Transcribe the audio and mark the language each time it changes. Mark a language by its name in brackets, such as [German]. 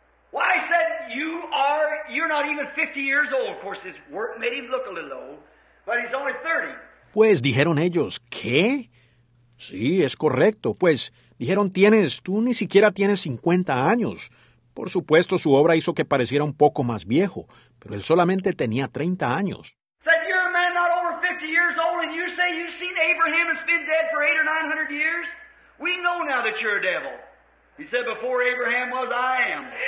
[English] Why, said, you're not even 50 years old. Of course, his work made him look a little old, but he's only 30. [Spanish] Pues dijeron ellos, ¿qué? Sí, es correcto. Pues dijeron, tú ni siquiera tienes 50 años. Por supuesto, su obra hizo que pareciera un poco más viejo, pero él solamente tenía 30 años. [English] Said, you're a man not over 50 years old, and you say you've seen Abraham has been dead for 800 or 900 years? We know now that you're a devil. He said, before Abraham was, I am.